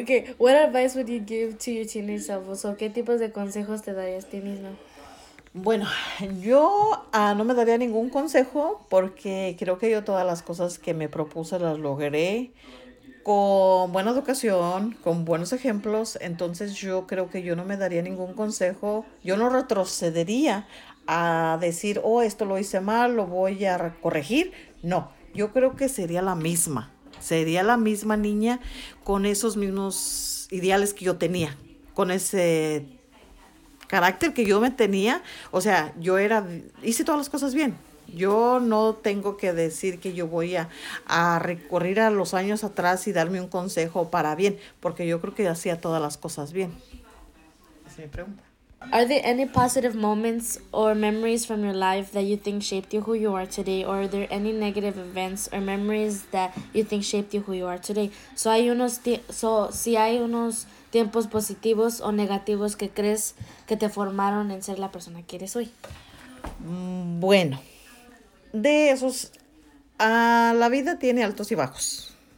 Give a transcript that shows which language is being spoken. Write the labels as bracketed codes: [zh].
[en] Okay, what advice would you give to your teenage self? [es] So, ¿qué tipos de consejos te darías a ti misma? Bueno, yo no me daría ningún consejo porque creo que yo todas las cosas que me propuse las logré con buena educación, con buenos ejemplos. Entonces yo creo que yo no me daría ningún consejo. Yo no retrocedería a decir, oh, esto lo hice mal, lo voy a corregir. No, Yo creo que sería la misma. Sería la misma niña con esos mismos ideales que yo tenía, con ese carácter que yo me tenía. O sea, hice todas las cosas bien. Yo no tengo que decir que yo voy a recurrir a los años atrás y darme un consejo para bien, porque yo creo que hacía todas las cosas bien. Esa es mi pregunta. [en] Are there any positive moments or memories from your life that you think shaped you who you are today? Or are there any negative events or memories that you think shaped you who you are today? [es] So hay unos ti so si hay unos tiempos positivos o negativos que crees que te formaron en ser la persona que eres hoy. Bueno, de esos, la vida tiene altos y bajos.